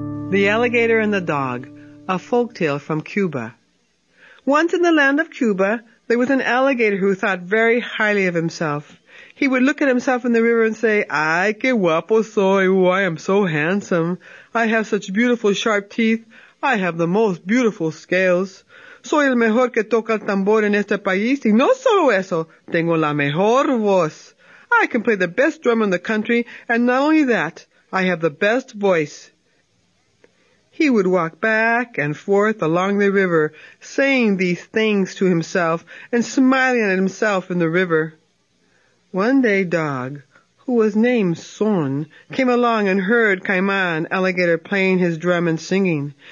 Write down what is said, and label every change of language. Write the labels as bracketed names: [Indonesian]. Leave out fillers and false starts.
[English] The Alligator and the Dog, a folktale from Cuba. Once in the land of Cuba, there was an alligator who thought very highly of himself. He would look at himself in the river and say, [Spanish] "Ay, qué guapo soy, [English] ooh, I am so handsome. I have such beautiful sharp teeth. I have the most beautiful scales. [Spanish] Soy el mejor que toca el tambor en este país, y no solo eso, tengo la mejor voz. [English] I can play the best drum in the country, and not only that, I have the best voice." He would walk back and forth along the river, saying these things to himself and smiling at himself in the river. One day Dog, who was named Son, came along and heard Caiman Alligator playing his drum and singing.